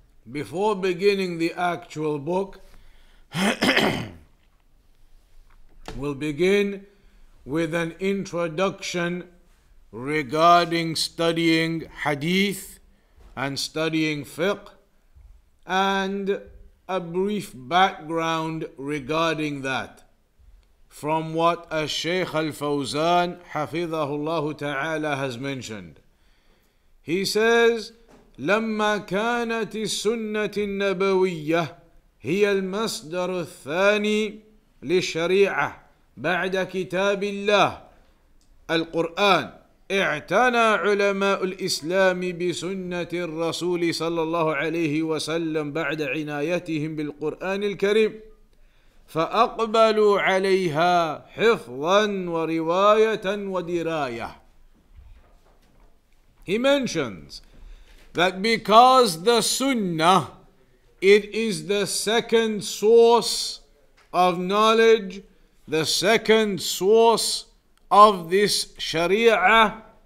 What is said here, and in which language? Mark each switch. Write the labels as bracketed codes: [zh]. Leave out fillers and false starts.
[en] Before beginning the actual book, we'll begin with an introduction regarding studying hadith and studying fiqh, and a brief background regarding that from what Al-Shaykh Al-Fawzan hafidhahullahu ta'ala has mentioned. He says, [ar] لما كانت السنة النبوية هي المصدر الثاني للشريعة بعد كتاب الله القرآن اعتنى علماء الإسلام بسنة الرسول صلى الله عليه وسلم بعد عنايتهم بالقرآن الكريم فأقبلوا عليها حفظا ورواية ودراية. [en] He mentions that because the Sunnah, it is the second source of knowledge, the second source of this Sharia,